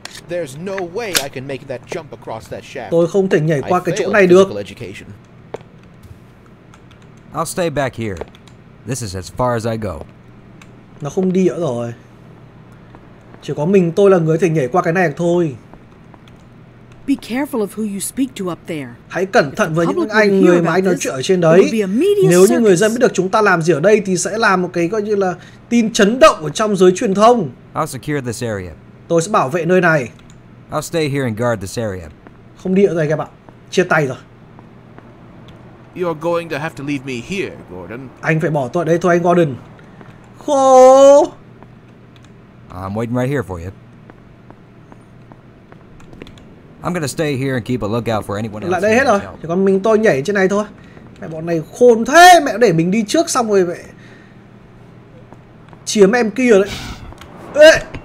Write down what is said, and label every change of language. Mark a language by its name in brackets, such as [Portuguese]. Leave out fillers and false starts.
[English] There's no way I can make that jump across that shaft. [Vietnamese] Tôi không thể nhảy qua cái chỗ này được. [English] I'll stay back here. This is as far as I go. [Vietnamese] Nó không đi nữa rồi. Chỉ có mình tôi là người có thể nhảy qua cái này thôi. [English] Be careful of who you speak to up there. [Vietnamese] Hãy cẩn thận với những anh người mà anh nói chuyện ở trên đấy. Nếu như người dân biết được chúng ta làm gì ở đây thì sẽ làm một cái gọi như là tin chấn động ở trong giới truyền thông. [English] I'll secure this area. [Vietnamese] Tôi sẽ bảo vệ nơi này. [English] I'll stay here and guard this area. [Vietnamese] Không đi nữa rồi các bạn. Chia tay rồi. [English] You're going to have to leave me here, Gordon. [Vietnamese] Anh phải bỏ tôi ở đây thôi anh Gordon. Khổ. [English] I'm waiting right here for you. I'm gonna stay here and keep a lookout for anyone else. [Vietnamese] Lại đây hết rồi. Chỉ còn mình tôi nhảy trên này thôi. Mẹ bọn này khôn thế, mẹ để mình đi trước xong rồi mẹ chiếm em kia đấy. Ê!